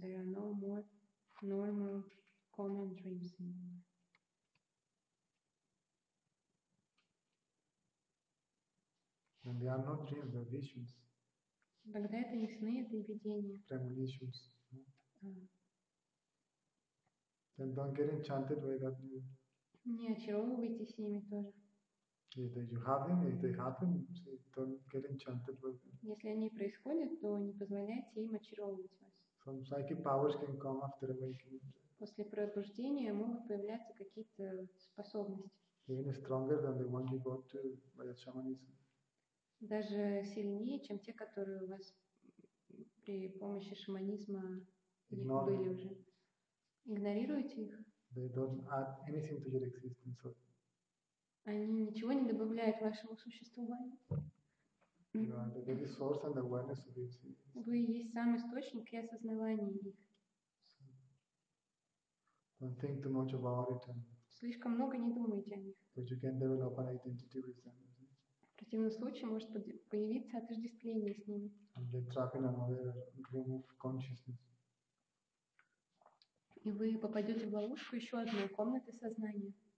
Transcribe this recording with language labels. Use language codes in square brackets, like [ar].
[en] There are no more normal, common dreams anymore. And they are not dreams, they are visions. [ru] Тогда это не сны, это видения. [en] Premonitions. Then don't get enchanted by that new. [ru] Не очаровывайтесь ими тоже. [en] If you have them, if they happen, see, don't get enchanted by them. [ru] Если они происходят, то не позволяйте им очаровывать вас. [en] Some psychic powers can come after awakening. [ru] После пробуждения могут появляться какие-то способности. [en] Even stronger than the one you got to by the shamanism. [ru] Даже сильнее, чем те, которые у вас при помощи шаманизма были [en] Ignore [ru] уже. Игнорируете их? [en] They don't add anything to your existence. So, [ru] они ничего не добавляют вашему существованию? Вы есть сам источник и осознавание их. [en] Don't think too much about it. [ru] Слишком много не думайте о них. [en] But you can develop an identity with them. [ru] В противном случае может появиться отождествление с ними. [en] And they're trapped in another room of consciousness. [ru] И вы попадете в ловушку еще одной комнаты сознания.